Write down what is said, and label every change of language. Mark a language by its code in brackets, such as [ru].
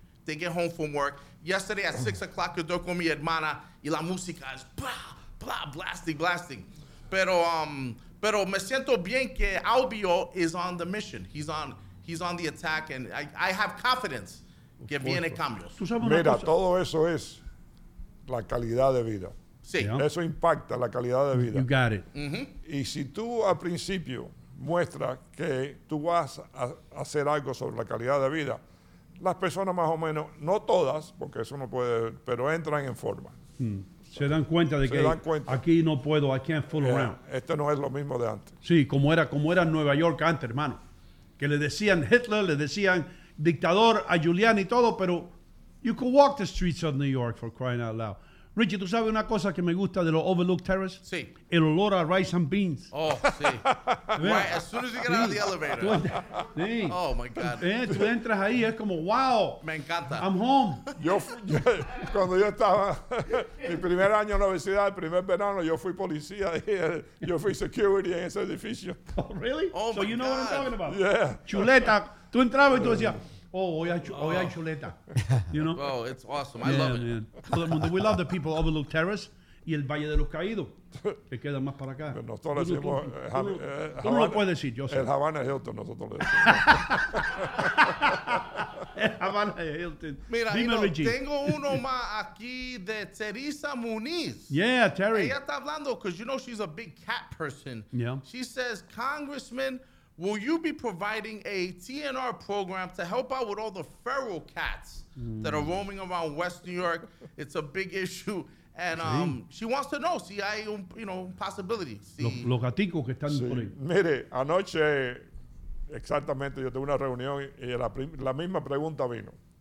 [en] They get home from work. Yesterday at 6 o'clock, [es] yo con mi hermana, y la música es [en] blah, blah, blasting. [es] Pero me siento bien que Albio [en] is on the mission. He's on the attack, and I have confidence [es] que viene cambios. Mira, todo eso es la calidad de vida. Sí. Yeah. Eso impacta la calidad de vida. [en] You got it. Mm-hmm. [es] Y si tú al principio muestras que tú vas a hacer algo sobre la calidad de vida, las personas más o menos, no todas, porque eso no puede, pero entran en forma. Se dan cuenta de se que dan cuenta. Aquí no puedo, [en] I can't fool, yeah, around. [es] Esto no es lo mismo de antes. Sí, como era Nueva York antes, hermano. Que le decían Hitler, le decían dictador a Giuliani y todo, pero [en] you could walk the streets of New York for crying out loud. [es] Richie, ¿tú sabes una cosa que me gusta de los Overlook Terrace? Sí. El olor a [en] rice and beans. [es] Oh, sí. [en] Right, as soon as you get, sí, out of the elevator. [es] Sí. [en] Oh, my God. [es] Tú entras ahí, es como, wow. Me encanta. [en] I'm home. [es] Yo, cuando yo estaba, mi primer año en la universidad, el primer verano, yo fui policía, yo fui security en ese edificio. [en] Oh, really? Oh, so So you know God what I'm talking about? Yeah. [es] Chuleta. Tú entrabas y tú decías... Oh, hoy hay chuleta, [en] you know? Oh, it's awesome. I, yeah, love it. Man. We love the people of Overlook Terrace. [es] y el Valle de los Caídos, que queda más para acá. Pero nosotros le decimos... Tú no lo puedes decir, yo sé. El Havana Hilton, nosotros le decimos. El Havana Hilton. Mira, dime, no, Richie. Tengo uno más aquí de Teresa Muniz. [en] Yeah, Terry. [es] Ella está hablando, [en] because you know she's a big cat person. Yeah. She says, Congressman, will you be providing a TNR program to help out with all the feral cats that are roaming around West New York? It's a big issue. And she wants to know, [es] si hay un, [en] you know, possibility. [es] Si. Los gaticos que están por ahí. Mire, anoche, exactamente, yo tuve una reunión y la misma pregunta vino.